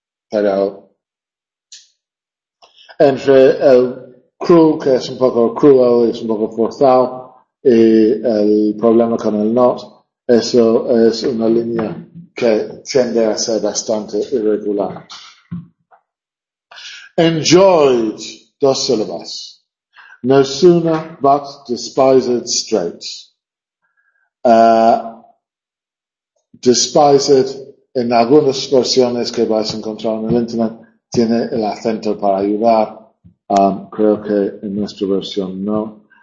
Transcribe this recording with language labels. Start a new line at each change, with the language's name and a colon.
Spanish: Pero entre el cruel, que es un poco cruel, es un poco forzado, y el problema con el not, eso es una línea que tiende a ser bastante irregular. Enjoyed, dos sílabas.
English: No sooner, but despised, straight.
Spanish: Despised, en algunas versiones que vais a encontrar en el internet, tiene el acento para ayudar. Creo que en nuestra versión no.